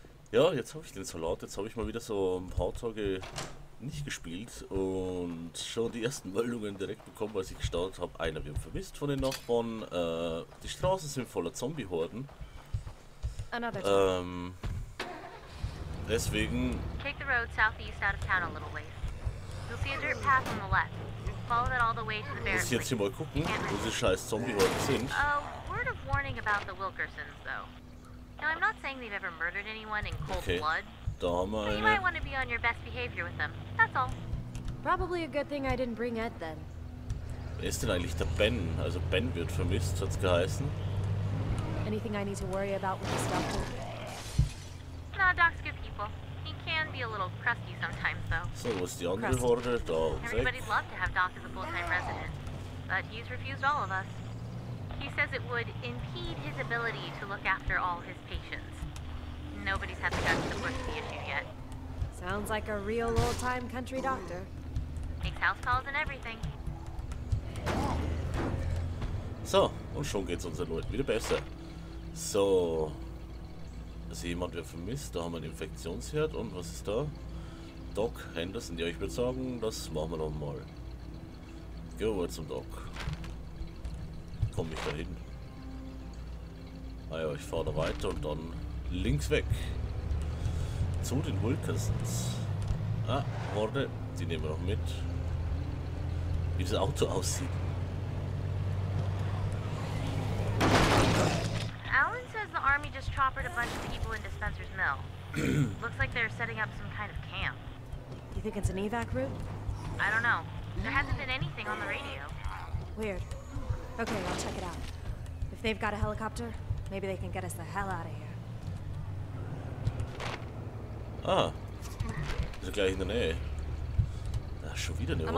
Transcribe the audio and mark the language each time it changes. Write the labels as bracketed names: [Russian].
[German] Ja, jetzt habe ich den Salat, jetzt habe ich mal wieder so ein paar Tage nicht gespielt und schon die ersten Meldungen direkt bekommen, als ich gestartet habe. Einer wird vermisst von den Nachbarn, die Straßen sind voller Zombie-Horden. Deswegen... [English] Take the road southeast out of town a little ways. You'll see a dirt path on the left. [German] Muss ich jetzt hier mal gucken, wo diese scheiß Zombie heute sind. [English] Word of warning about the Wilkersons, though. Now, I'm not saying they've ever murdered anyone in cold okay. blood. [German] Da haben wir eine. [English] You might want to be on your best behavior with them. That's all. Probably a good thing I didn't bring Ed then. [German] Wer ist denn eigentlich der Ben? Also Ben wird vermisst, hat's geheißen. [English] Anything I need to worry about with this doctor? Nah, Doc's good people. Can be a little crusty sometimes, though. So was the Angel Horde. Everybody'd love to have Doc as a full-time resident, but he's refused all of us. He says it would impede his ability to look after all his patients. Nobody's had the guts to push the issue yet. Sounds like a real old-time country doctor. Makes house calls and everything. [German] So, und schon geht's unseren Leuten wieder besser. So. Also jemand wird vermisst, da haben wir einen Infektionsherd und was ist da? Doc Henderson, ja, ich würde sagen, das machen wir noch mal. Gehen wir zum Doc. Komm ich da hin? Ah ja, ich fahre da weiter und dann links weg. Zu den Wilkersons. Ah, Horde, die nehmen wir noch mit. Wie das Auto aussieht. [English] Army just choppered a bunch of people in Dispenser's Mill. Looks like they're setting up some kind of camp. You think it's an evac route? I don't know. There hasn't been anything on the radio. Weird. Okay, I'll check it out. If they've got a helicopter, maybe they can get us the hell out of here. Ah. [German] Ist er gleich in der Nähe. Da ist schon wieder eine Horde.